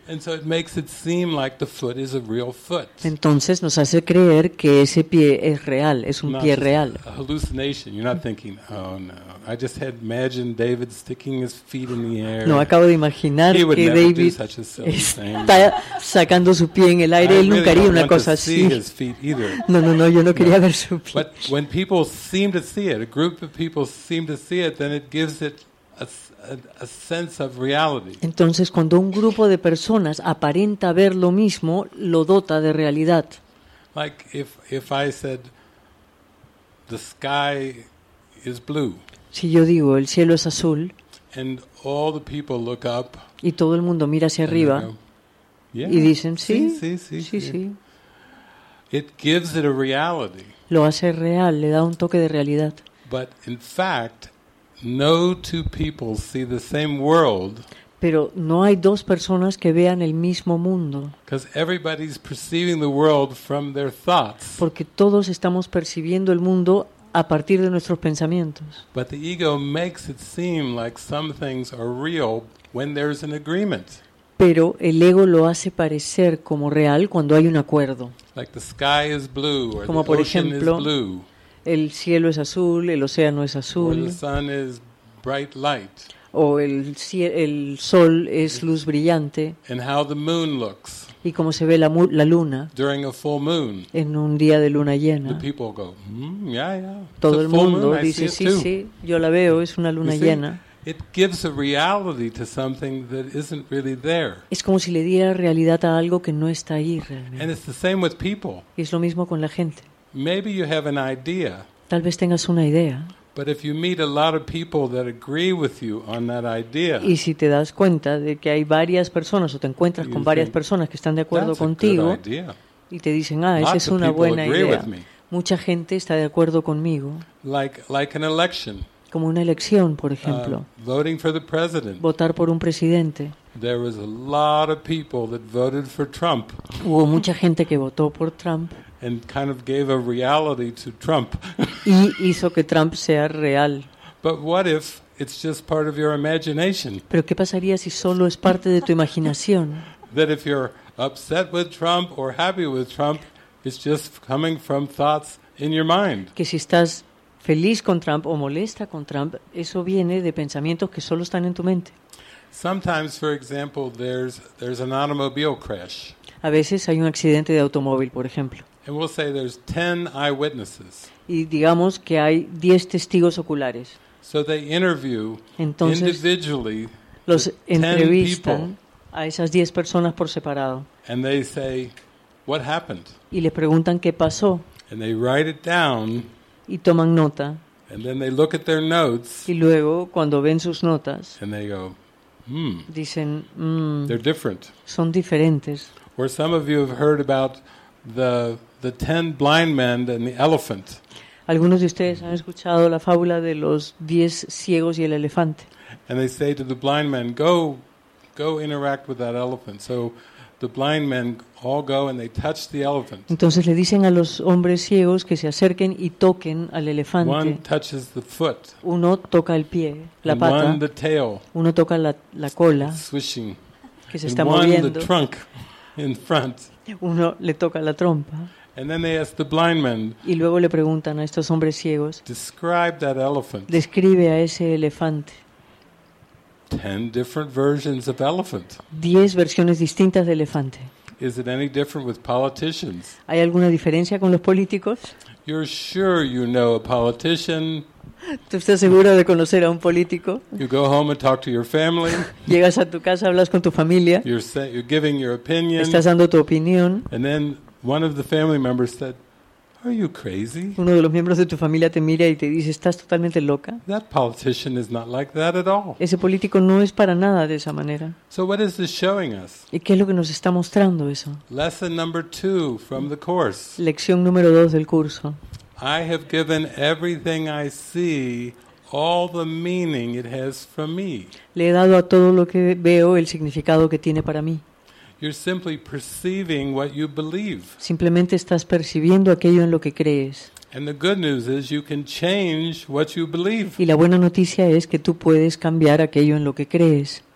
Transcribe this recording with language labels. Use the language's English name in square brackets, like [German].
[English] And so it makes it seem like the foot is a real foot. [Spanish] Entonces nos hace creer que ese pie es real, es un pie real. [English] A hallucination. You're not thinking, oh no, I just had imagined David sticking his feet in the air. [Spanish] No, acabo de imaginar [English] he [Spanish] que David está sacando su pie en el aire. [English] I [Spanish] él nunca [English] really [Spanish] haría una cosa así. [English] See his feet either. [Spanish] No, yo no quería ver su pie. [English] But when people seem to see it, a group of people seem to see it, then it gives it a sense of reality. [Spanish] Entonces, cuando un grupo de personas aparenta ver lo mismo, lo dota de realidad. [English] Like if I said the sky is blue. [Spanish] Si yo digo el cielo es azul. [English] And all the people look up. [Spanish] Y todo el mundo mira hacia arriba. [English] Yeah, [Spanish] y dicen sí, sí, sí, sí, sí. [English] It gives it a reality. [Spanish] Lo hace real, le da un toque de realidad. [English] But in fact, No two people see the same world. [Spanish] Pero no hay dos personas que vean el mismo mundo. [English] Because everybody's perceiving the world from their thoughts. [Spanish] Porque todos estamos percibiendo el mundo a partir de nuestros pensamientos. [English] But the ego makes it seem like some things are real when there's an agreement. [Spanish] Pero el ego lo hace parecer como real cuando hay un acuerdo. [English] Like the sky is blue, or [Spanish] como [English] the [Spanish] por [English] ocean [Spanish] ejemplo, [English] is blue. [Spanish] El cielo es azul, el océano es azul. [English] Or the sun is bright light. [Spanish] O el sol es luz brillante. [English] And how the moon looks. [Spanish] Y cómo se ve la luna. [English] During a full moon. [Spanish] En un día de luna llena. [English] The people go, yeah, yeah. [Spanish] Todo el mundo dice, sí, sí, yo la veo, es una luna llena. [English] It gives a reality to something that isn't really there. [Spanish] Es como si le diera realidad a algo que no está ahí realmente. [English] And it's the same with people. [Spanish] Y es lo mismo con la gente. [English] Maybe you have an idea. [Spanish] Tal vez tengas una idea. [English] But if you meet a lot of people that agree with you on that idea. [Spanish] Y si te das cuenta de que hay varias personas o te encuentras con varias personas que están de acuerdo contigo. [English] That's a good idea. [Spanish] Y te dicen, "Ah, esa es una buena idea." [English] Lots of people agree with me. [Spanish] Mucha gente está de acuerdo conmigo. [English] Like an election. [Spanish] Como una elección, por ejemplo. [English] Voting for the president. [Spanish] Votar por un presidente. [English] There was a lot of people that voted for Trump. [Spanish] Hubo mucha gente que votó por Trump. [English] And kind of gave a reality to Trump. [Spanish] Y hizo que Trump sea real. [English] But what if it's just part of your imagination? [Spanish] Pero qué pasaría si solo es parte de tu imaginación? [English] That if you're upset with Trump or happy with Trump, it's just coming from thoughts in your mind. [Spanish] Que si estás feliz con Trump o molesta con Trump, eso viene de pensamientos que solo están en tu mente. [English] Sometimes, for example, there's an automobile crash. [Spanish] A veces hay un accidente de automóvil, por ejemplo. [English] And we'll say there's 10 eyewitnesses. [Spanish] Y digamos que hay 10 testigos oculares. [English] So they interview [Spanish] entonces, [English] individually [Spanish] los entrevistan a esas 10 personas por separado. [English] And they say, what happened? [Spanish] Y les preguntan qué pasó. [English] And they write it down. [Spanish] Y toman nota. [English] And then they look at their notes. [Spanish] Y luego cuando ven sus notas. [English] And they go, [Spanish] dicen, [English] they're different. [Spanish] Son diferentes. [English] Or some of you have heard about the 10 blind men and the elephant. [Spanish] Algunos de ustedes han escuchado la fábula de los 10 ciegos y el elefante. [English] And they say to the blind man, go interact with that elephant. So the blind men all go and they touch the elephant. [Spanish] Entonces le dicen a los hombres ciegos que se acerquen y toquen al elefante. [English] One touches the foot. [Spanish] Uno toca el pie, la [English] and [Spanish] pata. [English] One the tail. [Spanish] Uno toca la cola. [English] Swishing. [Spanish] Que se [English] and [Spanish] está [English] one [Spanish] moviendo. [English] The trunk in front. [Spanish] Uno le toca la trompa. [English] And then they ask the blind men. [Spanish] Y luego le preguntan a estos hombres ciegos. [English] Describe that elephant. [Spanish] Describe a ese elefante. [English] 10 different versions of elephant. [Spanish] 10 versiones distintas de elefante. [English] Is it any different with politicians? [Spanish] ¿Hay alguna diferencia con los políticos? [English] You're sure you know a politician. [Spanish] ¿Tú estás segura de conocer a un político? [English] You go home and talk to your family. [Spanish] Llegas a tu casa, hablas con tu familia. [English] You're giving your opinion. [Spanish] Estás dando tu opinión. [English] And then one of the family members said, "Are you crazy?" [Spanish] Uno de los miembros de tu familia te mira y te dice, "¿Estás totalmente loca?" [English] That politician is not like that at all. [Spanish] Ese político no es para nada de esa manera. [English] So what is this showing us? [Spanish] ¿Y qué es lo que nos está mostrando eso? [English] Lesson number 2 from the course. [Spanish] Lección número 2 del curso. [English] I have given everything I see all the meaning it has for me. [Spanish] Le he dado a todo lo que veo el significado que tiene para mí. [English] You're simply perceiving what you believe. [Spanish] Simplemente estás percibiendo aquello en lo que crees. [English] And the good news is you can change what you believe. [Spanish] Y la buena noticia es que tú puedes cambiar aquello en lo que crees.